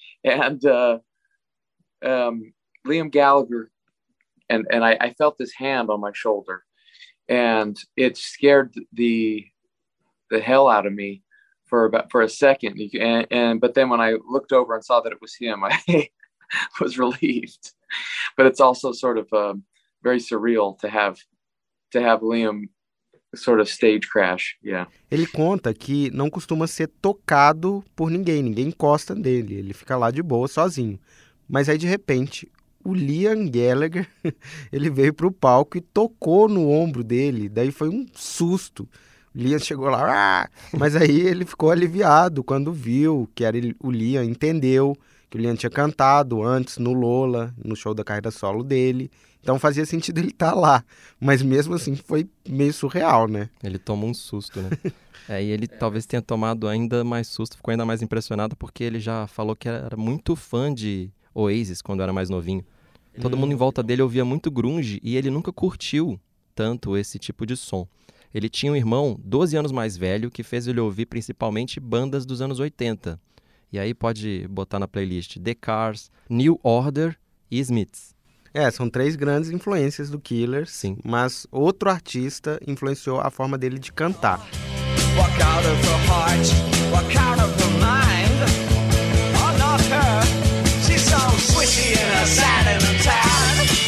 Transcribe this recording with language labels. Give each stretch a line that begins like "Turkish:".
English: And Liam Gallagher, and I felt this hand on my shoulder, and it scared the hell out of me for a second. But then when I looked over and saw that it was him, I was relieved. But it's also sort of very surreal to have Liam sort of stage crash. Yeah.
Portuguese: Ele conta que não costuma ser tocado por ninguém, ninguém encosta nele, ele fica lá de boa sozinho. Mas aí de repente, o Liam Gallagher, ele veio pro palco e tocou no ombro dele, daí foi um susto. O Liam chegou lá, mas aí ele ficou aliviado quando viu que era ele, o Liam, entendeu que o Liam tinha cantado antes no Lola, no show da carreira solo dele. Então fazia sentido ele estar lá. Mas mesmo assim foi meio surreal, né? Ele tomou um susto, né? É, e ele talvez tenha tomado ainda mais susto, ficou ainda mais impressionado, porque ele já falou que era muito fã de Oasis quando era mais novinho. Todo mundo em volta dele ouvia muito grunge e ele nunca curtiu tanto esse tipo de som. Ele tinha um irmão 12 anos mais velho que fez ele ouvir principalmente bandas dos anos 80. E aí pode botar na playlist The Cars, New Order e Smiths. É, são três grandes influências do Killer. Sim. Mas outro artista influenciou a forma dele de cantar.
English: Walk out of the heart, walk out of the mind. I'm not her, she's so squishy and a sad and a tan.